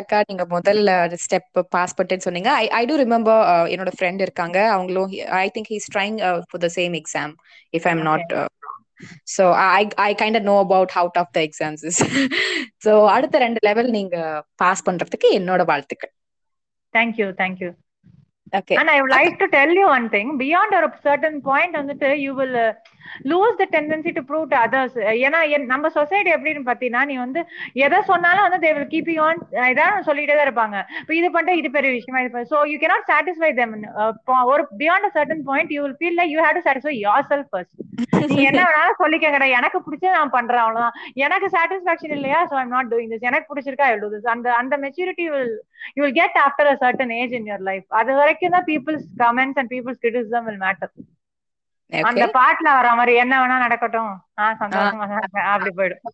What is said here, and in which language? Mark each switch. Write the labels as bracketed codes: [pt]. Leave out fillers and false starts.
[ta] அக்கா, நீங்க முதல்ல ஸ்டெப் பாஸ்போர்ட் சொன்னீங்க. [en] I do remember, [ta] என்னோட ஃப்ரெண்ட் இருக்காங்க, அவங்களும் [en] I think he's trying for the same exam if I am not. So I kind of know about how tough the exams is. [ta] So அடுத்த ரெண்டு level நீங்க பாஸ் பண்றதுக்கு என்னோட வாழ்த்துக்கள். [en] Thank you, thank you. Okay. And I would like to tell you one thing. Beyond a certain point, you will lose the tendency to prove to others. [ta] நம்ம society எப்படி பாத்தீங்கன்னா, நீ வந்து எதை சொன்னாலும் வந்து [en] they will keep you on, [ta] இதான் சொல்லிட்டே தான் இருப்பாங்க. இப்போ இது பண்ண இது பெரிய விஷயமா இருப்பாங்க. [en] So you cannot satisfy them. ஒரு beyond a certain point, you will feel like you have to satisfy yourself first. [ta] நீ என்ன வேணாலும் சொல்லிக்கங்கடா, எனக்கு பிடிச்சது நான் பண்றேன் அவ்வளவுதான், எனக்கு சாட்டிஸ்பாக்சன் இல்லையா, [en] so I'm not doing this. [ta] எனக்கு பிடிச்சிருக்கா [en] I will do this. [ta] அந்த maturity [en] you will get after a certain age in your life. [ta] அது வரைக்கும் தான் [en] people's comments and people's criticism will matter. [ta] அந்த பாட்டுல வர மாதிரி என்ன வேணா நடக்கட்டும், சந்தோஷமா அப்படி போயிடும்.